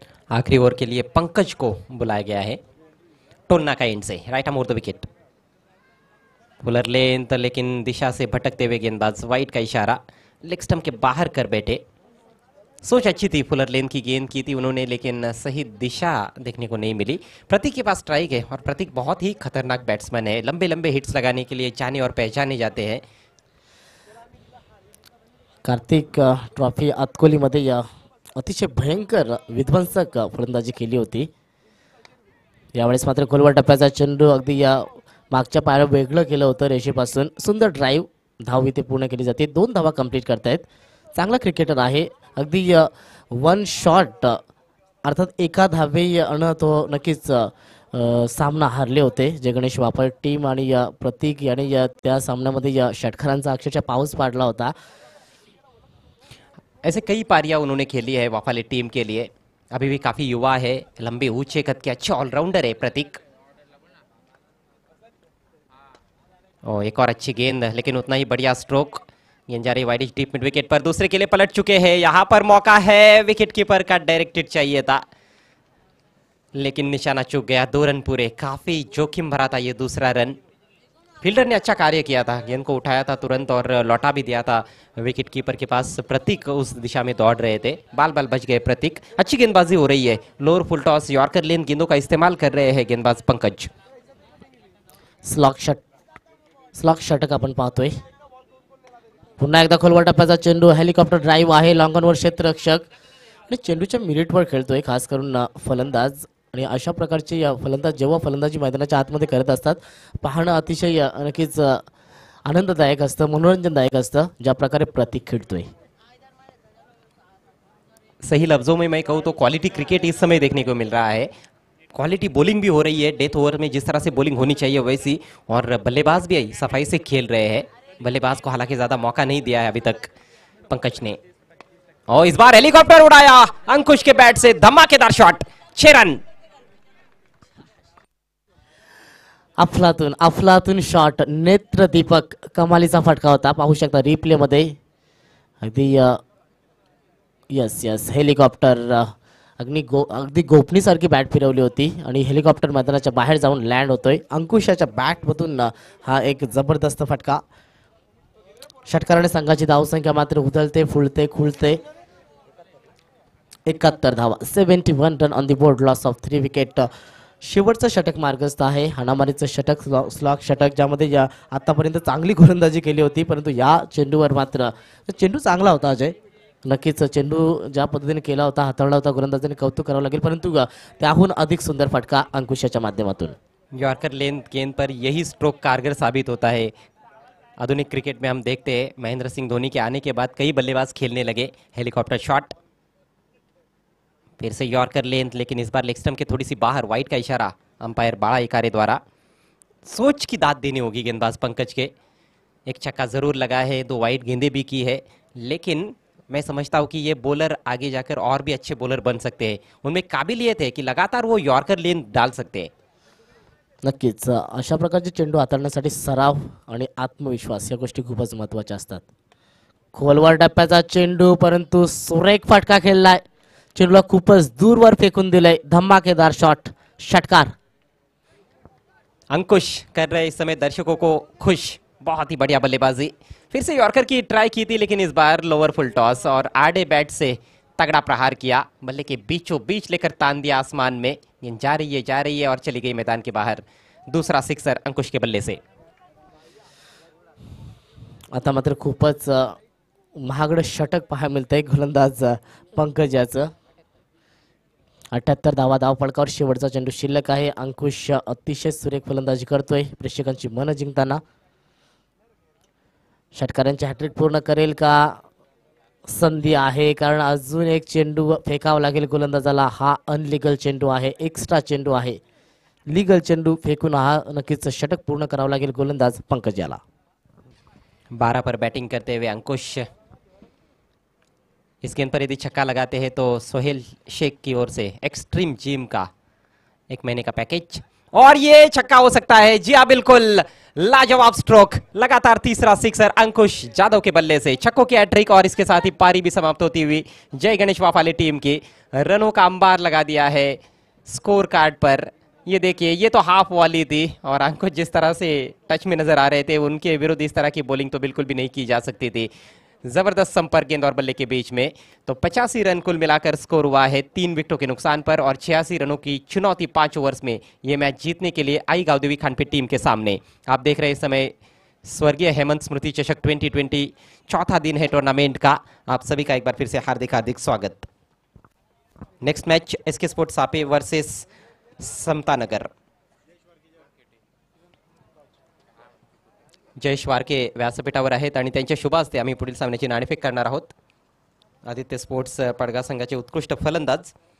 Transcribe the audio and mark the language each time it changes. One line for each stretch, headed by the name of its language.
Hindi: आखिरी ओवर के लिए पंकज को बुलाया गया है टोन्ना का एंड से, राइट हम over the wicket, bowler length लेकिन दिशा से भटकते हुए गेंदबाज, वाइट का इशारा, लेग स्टंप के बाहर कर बैठे। सोच अच्छी थी फुलर लेंथ की गेंद की थी उन्होंने, लेकिन सही दिशा देखने को नहीं मिली। प्रतीक के पास स्ट्राइक है और प्रतीक बहुत ही खतरनाक बैट्समैन है, लंबे लंबे हिट्स लगाने के लिए जाने और पहचाने जाते हैं।
Marathi: कार्तिक ट्रॉफी अतकोली मध्ये या अतिशय भयंकर विध्वंसक फलंदाजी केली होती, यावेळेस मात्र खोलवर टप्प्याचा चेंडू अगदी या मागच्या पायावर वेगळं केलं होतं रेषेपासून, सुंदर ड्राईव्ह, धाव इथे पूर्ण केली जाते, 2 धावा कंप्लीट करतायत। चांगला क्रिकेटर आहे, अगदी वन शॉट अर्थात एका धावे अन तो नक्कीच सामना हारले होते जय गणेश वाफळ टीम आणि या प्रतीक याने या त्या सामन्यामध्ये या षटकारांचा अक्षरशः पाऊस पाडला होता।
Hindi: ऐसे कई पारियां उन्होंने खेली है वाफले टीम के लिए, अभी भी काफी युवा है, लंबे ऊंचे कद के अच्छे ऑलराउंडर है प्रतीक। ओह एक और अच्छी गेंद लेकिन उतना ही बढ़िया स्ट्रोक, गेंद जा रही वाइड डीप मिड विकेट पर, दूसरे के लिए पलट चुके हैं, यहां पर मौका है विकेट कीपर का, डायरेक्टेड चाहिए था लेकिन निशाना चूक गया, 2 रन पूरे, काफी जोखिम भरा था ये दूसरा रन, फील्डर ने अच्छा कार्य किया था, गेंद को उठाया था तुरंत और लौटा भी दिया था विकेट कीपर के पास। प्रतीक उस दिशा में दौड़ रहे थे, बाल बाल बच गए प्रतीक। अच्छी गेंदबाजी हो रही है, लोअर फुल टॉस यॉर्कर लेन गेंदों का इस्तेमाल कर रहे हैं गेंदबाज पंकज।
Marathi: स्लॉग शट का अपन पाहतोय, पुन्हा एकदा खोलवर टप्प्याचा चेंडू, हेलिकॉप्टर ड्राइव आहे लॉंगनवर क्षेत्ररक्षक आणि चेंडूच्या मिरिटवर खेळतोय खास करून फलंदाज। आणि अशा प्रकारचे या फलंदाज जेव्हा फलंदाजी मैदानाच्या आतमध्ये करत असतात पाहणं अतिशय नक्कीच आनंददायक असतं, मनोरंजनदायक असतं, ज्या प्रकारे प्रतीक खेळतोय।
Hindi: सही लफ्जों में मैं कहूँ तो क्वालिटी क्रिकेट इस समय देखने को मिल रहा है, क्वालिटी बॉलिंग भी हो रही है, डेथ ओवर में जिस तरह से बॉलिंग होनी चाहिए वैसी, और बल्लेबाज भी आई सफाई से खेल रहे हैं। बल्लेबाज को हालांकि ज्यादा मौका नहीं दिया है अभी तक पंकज ने। और इस बार हेलीकॉप्टर उड़ाया अंकुश के बैट से, धमाकेदार शॉट, 6 रन।
Marathi: अफलातून शॉट, नेत्र दीपक कमालीचा फटका होता, पाहू शकता रिप्ले मध्ये अगदी। यस यस, हेलिकॉप्टर अगदी गोपनी सारखी बॅट फिरवली होती आणि हेलिकॉप्टर मैदानाच्या बाहेर जाऊन लँड होतोय। अंकुशाच्या बॅट मधून हा एक जबरदस्त फटका, षटकाराने संघाची धावसंख्या मात्र उदलते फुलते खुलते 71 धावा,
English: 71 run on the board, loss of 3 wicket.
Marathi: शेवटचं षटक मार्गस्थ आहे, हाणामारीचं षटक, स्लॉग षटक, ज्यामध्ये आतापर्यंत चांगली गोलंदाजी केली होती, परंतु या चेंडूवर मात्र चेंडू चांगला होता अजय, नक्कीच चेंडू ज्या पद्धतीने केला होता, हाताळला होता गोलंदाजाने, कौतुक करावं लागेल, परंतु त्याहून अधिक सुंदर फटका अंकुशाच्या माध्यमातून।
Hindi: यॉर्कर लेन गेंद पर यही स्ट्रोक कारगर साबित होता है। आधुनिक क्रिकेट में हम देखते हैं महेंद्र सिंह धोनी के आने के बाद कई बल्लेबाज खेलने लगे। हेलीकॉप्टर शॉट, फिर से यॉर्कर लेंथ, लेकिन इस बार लेग स्टंप के थोड़ी सी बाहर, वाइट का इशारा अंपायर बाड़ा इकारे द्वारा। सोच की दाद देनी होगी गेंदबाज पंकज के, एक छक्का जरूर लगा है, दो वाइट गेंदे भी की है, लेकिन मैं समझता हूँ कि ये बॉलर आगे जाकर और भी अच्छे बॉलर बन सकते हैं, उनमें काबिलियत है कि लगातार वो यॉर्कर लेंथ डाल सकते हैं।
Marathi: नक्कीच, अशा प्रकारचे चेंडू हाताळण्यासाठी सराव आणि आत्मविश्वास या गोष्टी खूपच महत्त्वाच्या असतात। खोलवर टप्प्याचा चेंडू, परंतु सुरेख फटका खेळलाय, चेंडूला खूपच दूरवर फेकून दिलंय, धमाकेदार शॉट, षटकार।
Hindi: अंकुश कर रहे इस समय दर्शकों को खुश, बहुत ही बढ़िया बल्लेबाजी, फिर से यॉर्कर की ट्राई की थी लेकिन इस बार लोअर फुल टॉस और आड़े बैट से तगड़ा प्रहार किया, बल्ले के बीचों बीच लेकर तान दिया आसमान में, जा रही है और चली गई मैदान के बाहर। दूसरा सिक्सर अंकुश के बल्ले से,
Marathi: आता मात्र खूपच महागड षटक पहाय मिलते गोलंदाज पंकजाच, 78 धावा धावपळकावर शेवटचा चेंडू शिल्लक आहे, अंकुश अतिशय सुरेख फलंदाजी करतोय, प्रेक्षकांची मन जिंकताना, षटकारांची हॅट्रिक पूर्ण करेल का संधी आहे, कारण अजून एक चेंडू फेकावा लागेल गोलंदाजाला, हा अनलिगल चेंडू आहे, एक्स्ट्रा चेंडू आहे, लीगल चेंडू फेकून हा नक्कीच षटक पूर्ण करावा लागेल गोलंदाज पंकजाला।
Hindi: 12 पर बॅटिंग करते हुए अंकुश, इस गेंद पर यदि छक्का लगाते हैं तो सोहेल शेख की ओर से एक्सट्रीम जिम का एक महीने का पैकेज, और ये छक्का हो सकता है, जी हाँ बिल्कुल, लाजवाब स्ट्रोक, लगातार तीसरा सिक्सर अंकुश जादव के बल्ले से, छक्कों की हैट्रिक और इसके साथ ही पारी भी समाप्त होती हुई, जय गणेश वाफाले टीम की, रनों का अंबार लगा दिया है स्कोर कार्ड पर। ये देखिए, ये तो हाफ वॉली थी और अंकुश जिस तरह से टच में नजर आ रहे थे उनके विरुद्ध इस तरह की बॉलिंग तो बिल्कुल भी नहीं की जा सकती थी, जबरदस्त संपर्क गेंद और बल्ले के बीच में, तो 85 रन कुल मिलाकर स्कोर हुआ है 3 विकेटों के नुकसान पर और 86 रनों की चुनौती 5 ओवर्स में ये मैच जीतने के लिए आई गावदेवी खानपे टीम के सामने। आप देख रहे हैं इस समय स्वर्गीय हेमंत स्मृति चषक 2020, चौथा दिन है टूर्नामेंट का, आप सभी का एक बार फिर से हार्दिक स्वागत।
Marathi: Next match SK sports सापे versus Samta Nagar, Jayesh Warke व्यासपीठावर आहेत आणि त्यांच्या शुभ हस्ते आम्ही पुढील सामन्याची नाणेफेक करणार आहोत। आदित्य स्पोर्ट्स पडगा संघाचे उत्कृष्ट फलंदाज,